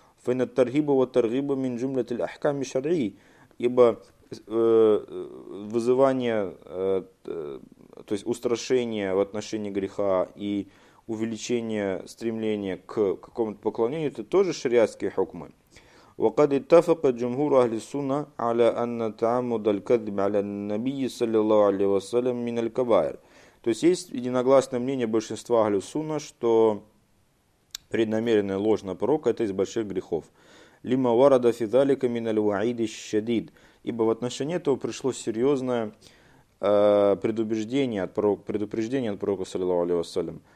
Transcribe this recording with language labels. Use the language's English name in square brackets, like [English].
[Arabic] Фэна таргиба ва таргиба мин джумля тил ахками шарии. [Russian] Ибо вызывание, то есть устрашение в отношении греха и увеличение стремления к какому-то поклонению, это тоже шариатские хукмы. [Arabic] وقد اتفق جمهور اهل السنه على ان تعمد الكذب على النبي صلى الله عليه وسلم من الكبائر. [Russian] То есть есть единогласное мнение большинства اهل السنه, что преднамеренная ложь на пророка это из больших грехов. [Arabic] لما ورد في ذلك من الوعيد الشديد. [Russian] Ибо в отношении этого пришло серьезное предупреждение от пророка صلى الله عليه وسلم.